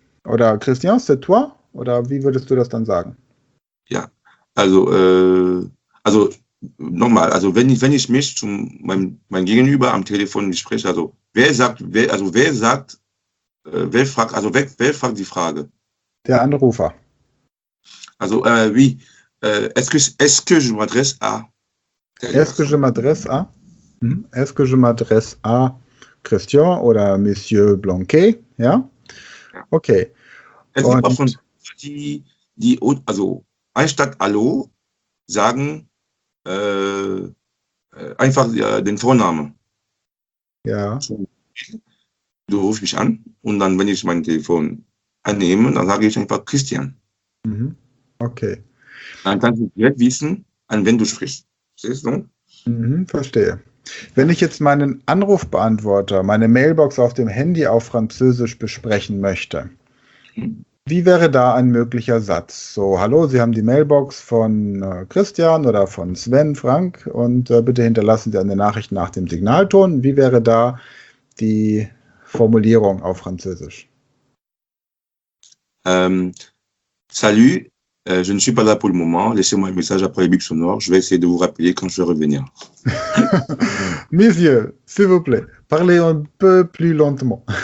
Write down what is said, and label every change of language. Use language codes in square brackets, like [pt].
[de] Oder Christian, [fr] c'est toi? [de] Oder wie würdest du das dann sagen? Ja, also nochmal, also wenn ich mich zu meinem Gegenüber am Telefon spreche, also wer fragt, also wer fragt die Frage? Der Anrufer. Also wie [fr] est-ce que je m'adresse à Est-ce que je m'adresse à? Est-ce que je m'adresse à Christian [de] oder [fr] Monsieur Blanquet? [de] Ja? Okay. es gibt auch schon Und die also anstatt Hallo sagen einfach den Vornamen. ja. Du rufst mich an und dann, wenn ich mein Telefon annehme, dann sage ich einfach Christian. Okay. Dann kannst du direkt wissen, an wen du sprichst. Siehst du? Verstehe. Wenn ich jetzt meinen Anrufbeantworter, meine Mailbox auf dem Handy auf Französisch besprechen möchte, wie wäre da ein möglicher Satz? So, hallo, Sie haben die Mailbox von Christian oder von Sven Frank und bitte hinterlassen Sie eine Nachricht nach dem Signalton. Wie wäre da die Formulierung auf Französisch? [fr] Salut, je ne suis pas là pour le moment. Laissez-moi un message après les bips sonores. Je vais essayer de vous rappeler quand je vais revenir. Monsieur, s'il vous plaît, parlez un peu plus lentement.